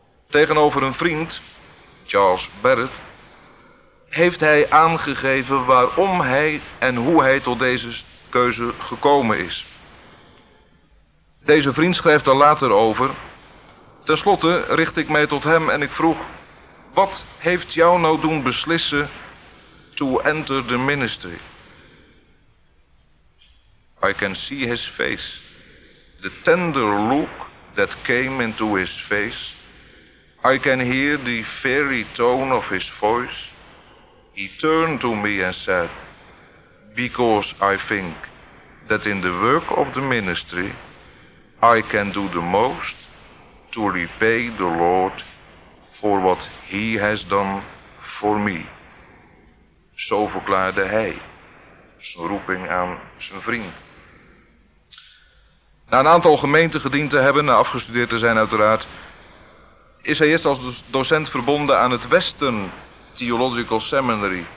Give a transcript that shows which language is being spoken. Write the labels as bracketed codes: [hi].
[nl] Tegenover een vriend, Charles Barrett, heeft hij aangegeven waarom hij en hoe hij tot deze keuze gekomen is. Deze vriend schrijft er later over. Ten slotte richt ik mij tot hem en ik vroeg, wat heeft jou nou doen beslissen [en] to enter the ministry? I can see his face, the tender look that came into his face. I can hear the fiery tone of his voice. He turned to me and said, because I think that in the work of the ministry I can do the most to repay the Lord for what he has done for me. [nl] Zo verklaarde hij zijn roeping aan zijn vriend. Na een aantal gemeenten gediend te hebben, na afgestudeerd te zijn uiteraard, is hij eerst als docent verbonden aan het Western Theological Seminary.